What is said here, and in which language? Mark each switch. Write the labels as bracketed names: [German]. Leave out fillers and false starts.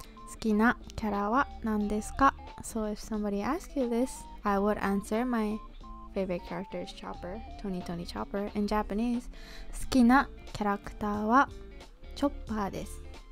[Japanese] 好きなキャラは何ですか? [English] So if somebody asks you this, I would answer my favorite character is Chopper, Tony Tony Chopper in Japanese. [Japanese] 好きなキャラクターはチョッパーです。